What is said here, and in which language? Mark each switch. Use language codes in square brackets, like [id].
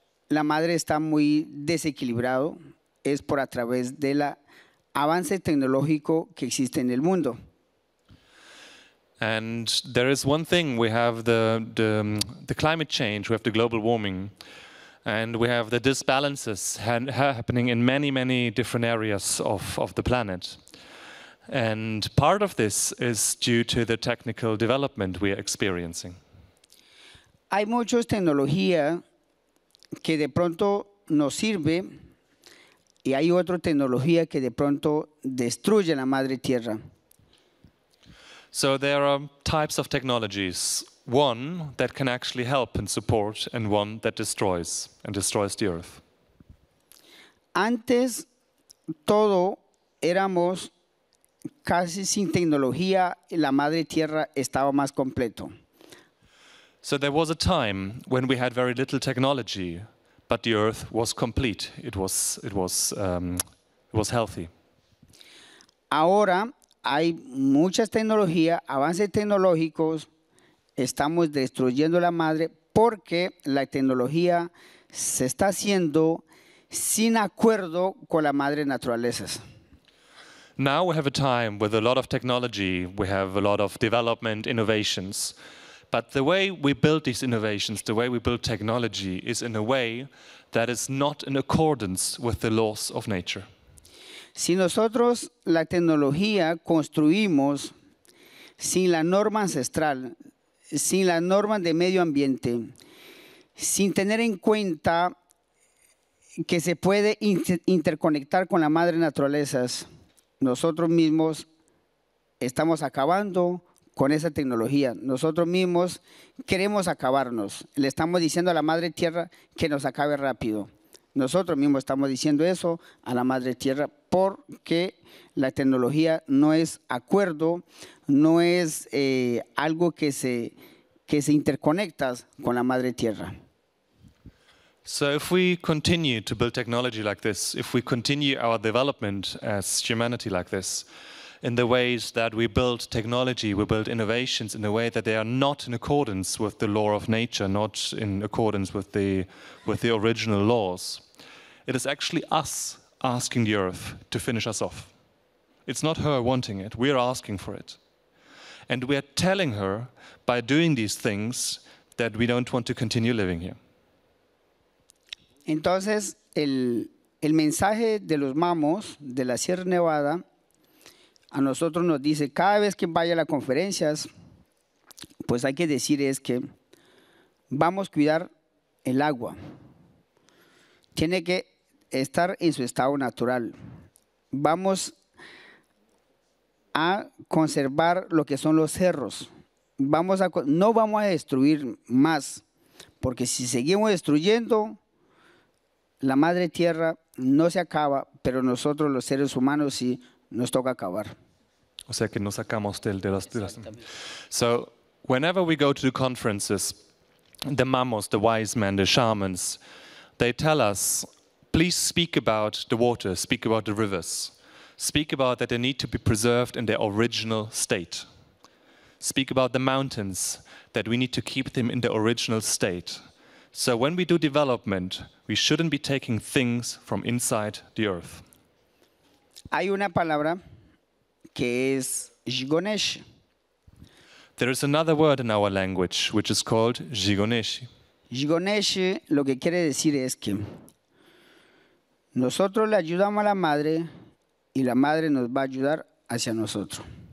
[es] La madre está muy desequilibrado, es por a través del avance tecnológico que existe en el mundo. [en] And there is one thing, we have the climate change, we have the global warming. And we have the disbalances happening in many, many different areas of the planet. And part of this is due to the technical development we are experiencing. [es] Hay muchas tecnologías que de pronto nos sirve, y hay otra tecnología que de pronto destruye la madre tierra. [en] So there are types of technologies. One that can actually help and support, and one that destroys the earth. [es] Antes, todo éramos casi sin tecnología, la madre tierra estaba más completo. [en] So there was a time when we had very little technology, but the earth was complete. It was healthy. [es] Ahora hay muchas tecnologías, avances tecnológicos. Estamos destruyendo la madre porque la tecnología se está haciendo sin acuerdo con la madre naturaleza. [en] Now we have a time with a lot of technology, we have a lot of development, innovations. But the way we build these innovations, the way we build technology, is in a way that is not in accordance with the laws of nature. [es] Si nosotros la tecnología construimos sin la norma ancestral, sin las normas de medio ambiente, sin tener en cuenta que se puede interconectar con la madre naturaleza, nosotros mismos estamos acabando con esa tecnología. Nosotros mismos queremos acabarnos. Le estamos diciendo a la madre tierra que nos acabe rápido. Nosotros mismos estamos diciendo eso a la Madre Tierra porque la tecnología no es acuerdo, no es algo que se interconecta con la Madre Tierra. [en] So if we continue to build technology like this, if we continue our development as humanity like this, in the ways that we build technology, we build innovations in a way that they are not in accordance with the law of nature, not in accordance with the original laws, it is actually us asking the Earth to finish us off. It's not her wanting it, we're asking for it. And we are telling her by doing these things that we don't want to continue living here. [es] Entonces, el mensaje de los mamos de la Sierra Nevada a nosotros nos dice, cada vez que vaya a las conferencias, pues hay que decir es que vamos a cuidar el agua. Tiene que estar en su estado natural. Vamos a conservar lo que son los cerros. No vamos a destruir más, porque si seguimos destruyendo, la Madre Tierra no se acaba, pero nosotros los seres humanos sí nos toca acabar. O sea que nos sacamos de las. [en] So, whenever we go to the conferences, the mamos, the wise men, the shamans, they tell us, please speak about the water, speak about the rivers, speak about that they need to be preserved in their original state. Speak about the mountains, that we need to keep them in their original state. So when we do development, we shouldn't be taking things from inside the earth. [es] Hay una palabra que es Jigonesh. [en] There is another word in our language which is called Jigonesh. [es] Jigonesh lo que quiere decir es que nosotros le ayudamos a la madre y la madre nos va a ayudar hacia nosotros.